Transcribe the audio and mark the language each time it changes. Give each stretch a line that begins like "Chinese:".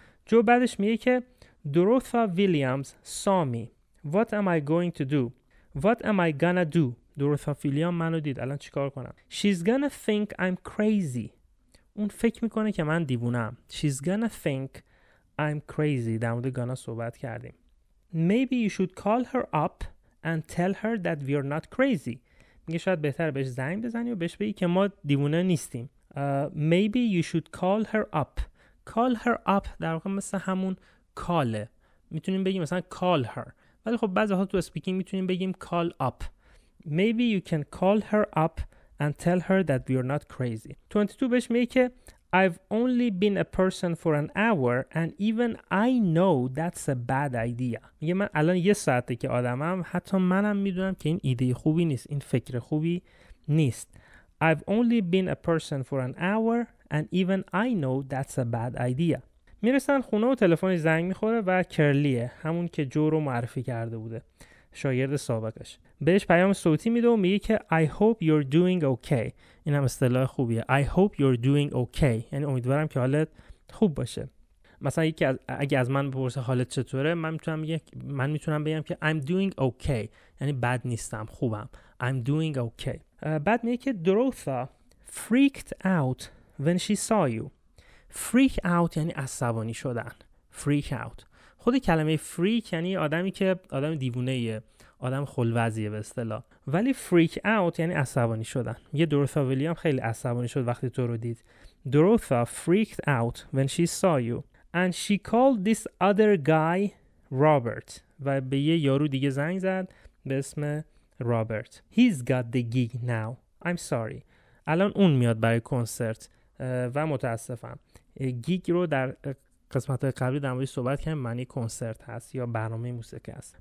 Persian: جو بعدش میگه که دروثا ویلیامز
English: saw me. What am I going to do? What am I gonna do?
Persian: دروثا ویلیام منو دید، الان چیکار کنم؟
English: She's gonna think I'm crazy.
Persian: اون فکر میکنه که من دیوونم.
English: She's gonna think I'm crazy.
Persian: در مورد گانا صحبت کردیم.
English: Maybe you should call her up and tell her that we are not crazy.
Persian: میگه شاید بهتر بهش زنگ بزنی و بهش بگی که ما دیوونه نیستیم.
English: Maybe you should call her up.
Persian: call her up در واقع مثل همون کاله، میتونیم بگیم مثلا call her، ولی خب بعضی وقتا تو اسپیکینگ میتونیم بگیم call up.
English: maybe you can call her up and tell her that we are not crazy.
Persian: 22 بهش میگه که
English: I've only been a person for an hour and even I know that's a bad idea.
Persian: میگه من الان یه ساعته که آدمم، حتی منم میدونم که این ایده خوبی نیست، این فکر خوبی نیست.
English: I've only been a person for an hour and even I know that's a bad idea.
Persian: میرسن خونه و تلفنش زنگ میخوره و کرلیه، همون که جو رو معرفی کرده بوده، شاگرد سابقش. بهش پیام صوتی میده و میگه که
English: I hope you're doing okay.
Persian: این هم اصطلاح خوبیه.
English: I hope you're doing okay.
Persian: یعنی امیدوارم که حالت خوب باشه. مثلا اگه از من بپرسه حالت چطوره، من میتونم بگم که
English: I'm doing okay.
Persian: یعنی بد نیستم، خوبم.
English: I'm doing okay.
Persian: بعد میگه که
English: Dorotha freaked out when she saw you.
Persian: freak out یعنی عصبانی شدن. freak out. خود کلمه freak یعنی آدمی که آدم دیوونه ایه، آدم خلوزیه به اصطلاح. ولی freak out یعنی عصبانی شدن. یه Dorotha ویلیام خیلی عصبانی شد وقتی تو رو دید.
English: Dorothea freaked out when she saw you and she called this other guy Robert.
Persian: و به یه یارو دیگه زنگ زد به اسم رابرت.
English: He's got the gig now. I'm sorry.
Persian: الان اون میاد برای کنسرت و متاسفم. گیگ رو در قسمت های قبلی در موردش صحبت کردم، معنی کنسرت هست یا برنامه موسیقی هست.